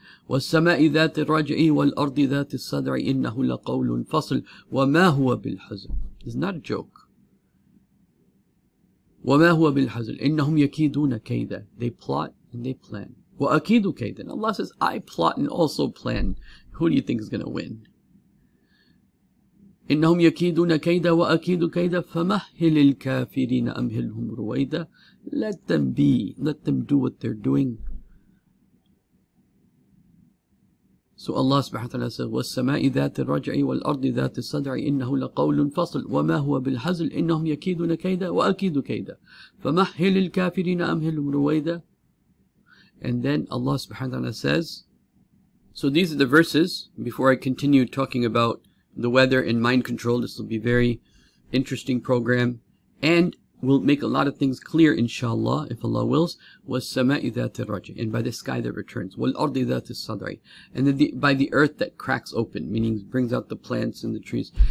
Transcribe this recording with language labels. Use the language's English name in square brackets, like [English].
[Arabic] وَالسَّمَاءِ ذَاتِ الرَّجْعِ وَالْأَرْضِ ذَاتِ الصَّدْعِ إِنَّهُ لَقَوْلٌ فَصْلٌ وَمَا هُوَ بِالْحَزْمِ. [English] This is not a joke. [Arabic] وَمَا هُوَ بِالْحَزْمِ إِنَّهُمْ يَكِيدُونَ كَيْدًا. [English] They plot and they plan. [Arabic] وَأَكِيدُ كَيْدًا. [English] Allah says, I plot and also plan. Who do you think is going to win? [Arabic] إنهم يكيدون كيدا وأكيد كيدا فمهل الكافرين أمهلهم رويدا. [English] Let them be, let them do what they're doing. [Arabic] So Allah سبحانه وتعالى says, والسماء ذات الرجع والأرض ذات الصدع إنه لقول فصل وما هو بالحزل إنهم يكيدون كيدا وأكيد كيدا فمهل الكافرين أمهلهم رويدا. [English] And then Allah سبحانه وتعالى says, so these are the verses. Before I continue talking about the weather and mind control, this will be very interesting program, and will make a lot of things clear, inshallah, if Allah wills. [Arabic] وَالسَّمَاءِ ذَاتِ الرَّجْعِ, [English] and by the sky that returns. [Arabic] وَالْأَرْضِ ذَاتِ الصَّدْعِ, [English] and then by the earth that cracks open, meaning brings out the plants and the trees.